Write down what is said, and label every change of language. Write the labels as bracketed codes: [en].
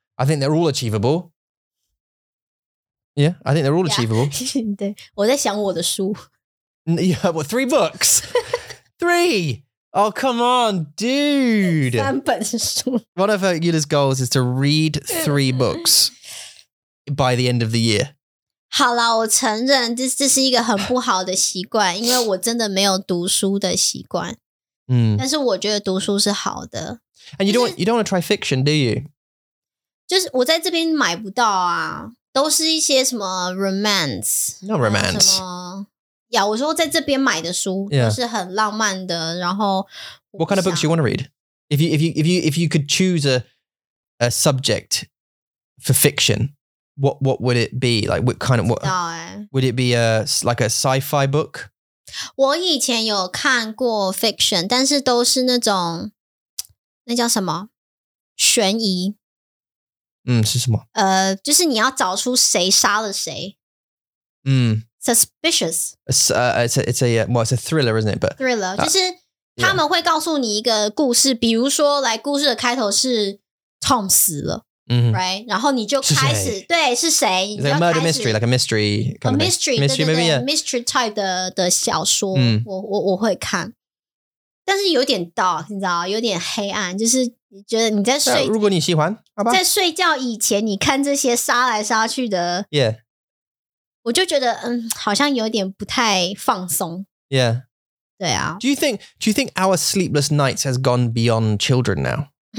[en] I think they're all achievable. Yeah, I think they're all achievable. [zh] 对,我在想我的书。 [en] Yeah, well, three books. Three. Oh, come on, dude. [zh] 三本书. [en] One of Yula's goals is to read three books by the end of the year. [zh] 好啦,我承认这是一个很不好的习惯, 因为我真的没有读书的习惯, 但是我觉得读书是好的。 [en] And you don't want to try fiction, do you? [zh] 就是我在这边买不到啊, 都是一些什么 romance. [en] Not romance. [zh] 我说在这边买的书, 都是很浪漫的, [en] What kind of books do you want to read? If you could choose a subject for fiction, what would it be? Like what kind of what would it be like a sci-fi book? [zh] 我以前有看过 fiction, 但是都是那种 那叫什么?悬疑。是什么? 就是你要找出谁杀了谁。 [en] Suspicious. It's a thriller, isn't it? But [zh] thriller. 就是他们会告诉你一个故事, 比如说, like, 故事的开头是 Tom死了, right? 然后你就开始, 对, 是谁? [en] It's like a murder mystery, like a mystery. Kind a mystery, of [zh] mystery, 对对对, [en] maybe, yeah. Mystery type [zh] 的小说, 我会看。但是有点dark, 你知道吗? 有点黑暗, 就是觉得你在睡, 如果你喜欢, 好吧? 在睡觉以前, 你看这些杀来杀去的, [en] yeah. [zh] 我就觉得, 好像有点不太放松。 [en] Yeah. [zh] 对啊。 [en] Do you think our sleepless nights has gone beyond children now?